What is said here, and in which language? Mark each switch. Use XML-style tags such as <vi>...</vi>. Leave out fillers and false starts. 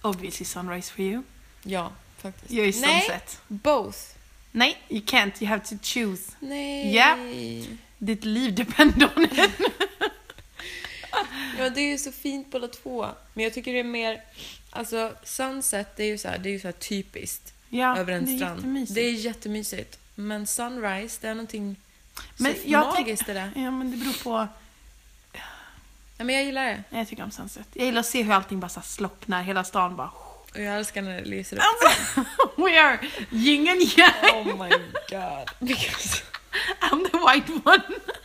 <en>Obviously sunrise for you.</en> <sv>Ja, faktiskt. Jag är sunset. Nej, both.</sv> <en>Nej, you can't, you have to choose.</en> <sv>Nej.</sv> <en>Yeah.</en> <sv>Ditt liv</sv> <en>depend on it.</en> <sv>Ja, det är ju så fint på båda två. Men jag tycker det är mer, alltså sunset, det är ju så här, det är ju så här typiskt. Ja, över en strand. Det är jättemysigt. Men sunrise, det är någonting så magiskt det där. Ja, men det beror på... Ja, men jag gillar det. Jag tycker om sunset. Jag gillar att se hur allting bara slocknar, hela stan bara... Och jag älskar när det lyser upp. Alltså,</sv> <en>we are yin and yang. Oh my god. Because I'm the white one.</en>